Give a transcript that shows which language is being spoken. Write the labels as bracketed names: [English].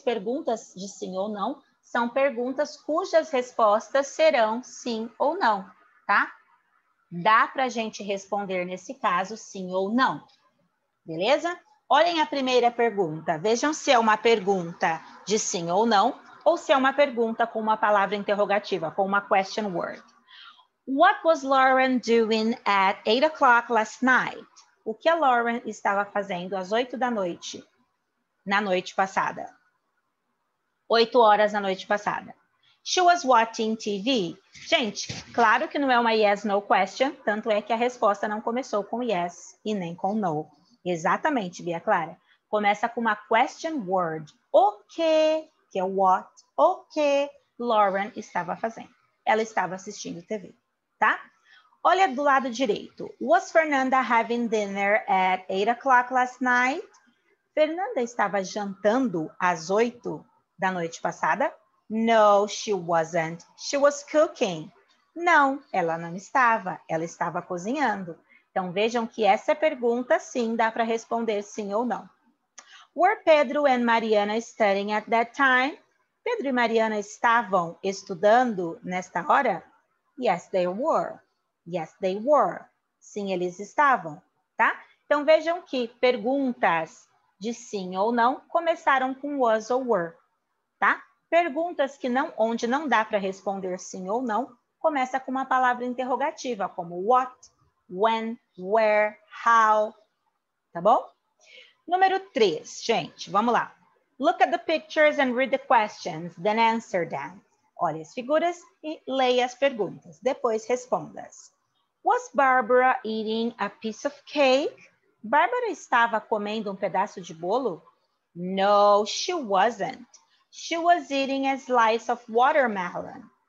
[Portuguese] Perguntas de sim ou não são perguntas cujas respostas serão sim ou não, tá? Dá para a gente responder nesse caso sim ou não, beleza? Olhem a primeira pergunta. Vejam se é uma pergunta de sim ou não, ou se é uma pergunta com uma palavra interrogativa, com uma question word. [English] What was Lauren doing at 8 o'clock last night? [Portuguese] O que a Lauren estava fazendo às 8 da noite, na noite passada? 8 horas na noite passada. [English] She was watching TV. [Portuguese] Gente, claro que não é uma yes, no question, tanto é que a resposta não começou com yes e nem com no. Exatamente, Bia Clara. Começa com uma question word. O que, que é what, o que Lauren estava fazendo? Ela estava assistindo TV, tá? Olha do lado direito. [English] Was Fernanda having dinner at 8 o'clock last night? [Portuguese] Fernanda estava jantando às 8 da noite passada? [English] No, she wasn't. She was cooking. [Portuguese] Não, ela não estava. Ela estava cozinhando. Então, vejam que essa pergunta, sim, dá para responder sim ou não. [English] Were Pedro and Mariana studying at that time? [Portuguese] Pedro e Mariana estavam estudando nesta hora? [English] Yes, they were. Yes, they were. [Portuguese] Sim, eles estavam, tá? Então, vejam que perguntas de sim ou não começaram com was ou were, tá? Perguntas que não, onde não dá para responder sim ou não, começa com uma palavra interrogativa, como what, when, where, how, tá bom? Número 3, gente, vamos lá. [English] Look at the pictures and read the questions, then answer them. [Portuguese] Olhe as figuras e leia as perguntas, depois responda-as. [English] Was Barbara eating a piece of cake? [Portuguese] Bárbara estava comendo um pedaço de bolo? [English] No, she wasn't. She was eating a slice of watermelon.